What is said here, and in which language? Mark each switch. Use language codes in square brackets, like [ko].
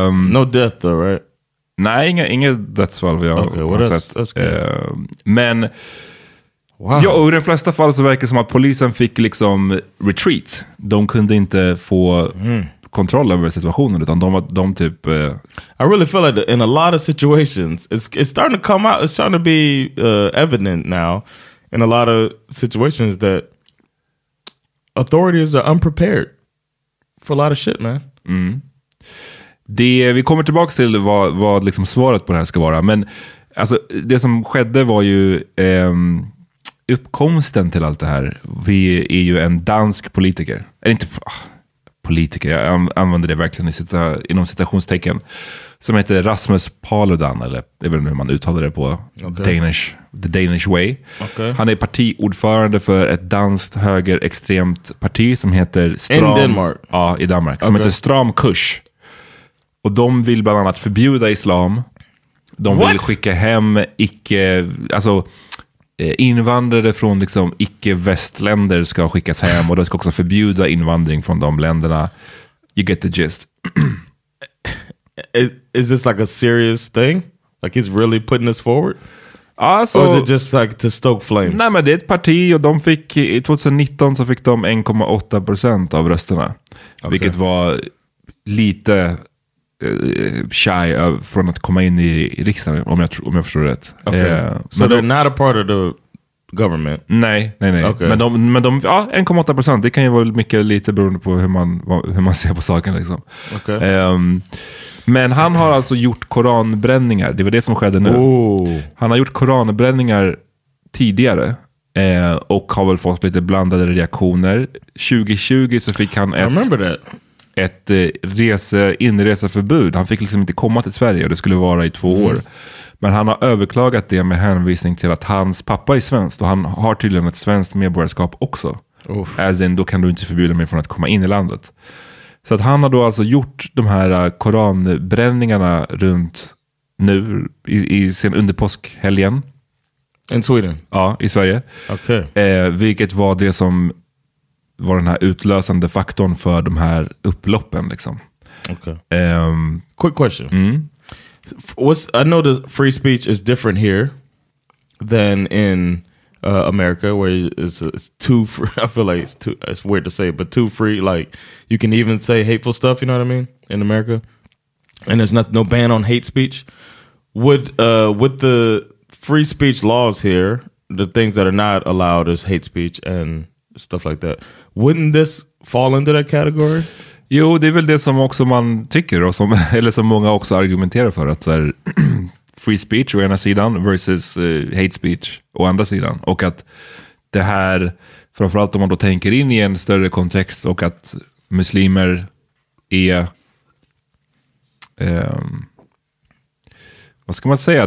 [en] No death though, right? [sv] Nej, inget dödsfall vi har sett. Men [en] wow. [sv] Ja, och i de flesta fall så verkar det som att polisen fick liksom retreat. De kunde inte få kontroll över situationen utan de typ [en] I really feel like in a lot of situations it's starting to come out, it's starting to be evident now in a lot of situations that authorities are unprepared for a lot of shit, man. Mm. [sv] Det, vi kommer tillbaka till vad liksom svaret på det här ska vara. Men alltså, det som skedde var ju uppkomsten till allt det här. Vi är ju en dansk politiker. Eller inte politiker, jag använder det verkligen inom citationstecken. Som heter Rasmus Paludan, eller jag vet inte hur man uttalar det på Danish, [en] the Danish way. Okay. [sv] Han är partiordförande för ett danskt högerextremt parti som heter Stram... [en] In Denmark. [sv] Ja, i Danmark. [en] Okay. [sv] Som heter Stram Kurs. Och de vill bland annat förbjuda islam. De vill skicka hem icke... Alltså, invandrare från liksom icke-västländer ska skickas hem. Och de ska också förbjuda invandring från de länderna. [en] You get the gist. Is this like a serious thing? Like he's really putting this forward? [sv] Alltså, [en] or is it just like to stoke flames? [sv] Nej, men det är ett parti och de fick... I 2019 så fick de 1,8% av rösterna. [en] Okay. [sv] Vilket var lite... shy från att komma in i riksdagen, om jag förstår rätt. [en] Okay. So they're not a part of the government? [sv] Nej. [en] Okay. [sv] Men de, ja, 1,8%, det kan ju vara mycket lite beroende på hur man ser på saken liksom. [en] Okay. [sv] Men han har alltså gjort koranbränningar, det var det som skedde nu. [en] Oh. [sv] Han har gjort koranbränningar tidigare och har väl fått lite blandade reaktioner. 2020 så fick han ett inreseförbud. Han fick liksom inte komma till Sverige och det skulle vara i 2 år. Men han har överklagat det med hänvisning till att hans pappa är svensk och han har tydligen ett svenskt medborgarskap också. Oof. [en] As in, [sv] då kan du inte förbjuda mig från att komma in i landet. Så att han har då alltså gjort de här koranbränningarna runt nu i sin underpåskhelgen. [en] In Sweden? [sv] Ja, i Sverige. [en] Okay. [sv] Vilket var det som var den här utlösande faktorn för de här upploppen liksom. [en] Okay. Quick question. Mm. I know the free speech is different here than in America, where it's too free. I feel like it's weird to say, but too free. Like you can even say hateful stuff, you know what I mean, in America. And there's no ban on hate speech. With the free speech laws here, the things that are not allowed is hate speech and stuff like that. Wouldn't this fall into that category? [sv] Jo, det är väl det som också man tycker och som många också argumenterar för, att så här, free speech å ena sidan versus hate speech å andra sidan. Och att det här, framförallt om man då tänker in i en större kontext, och att muslimer är vad ska man säga?